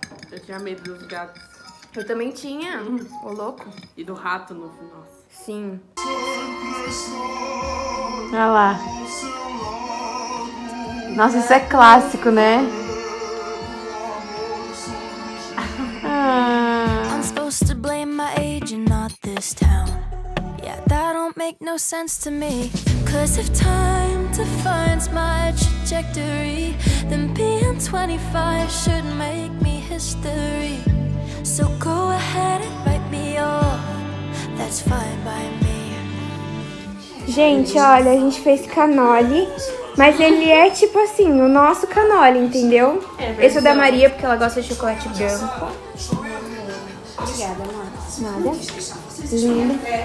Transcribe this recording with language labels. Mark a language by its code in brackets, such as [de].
[pt] Eu tinha medo dos gatos. Eu também tinha. Ô, louco. E do rato no final. Sim. Olha lá. Nossa, isso é clássico, né? [en] I'm supposed to blame my age and not this town. Yeah, that don't make no sense to me. Cause if time defines my trajectory, then being 25 should make me history. So go ahead and write me off. That's fine by me. [pt] Gente, olha, a gente fez cannoli, mas ele é tipo assim, o nosso cannoli, entendeu? Esse é da Maria, porque ela gosta de chocolate branco. Obrigada, mano. Nada. Lindo.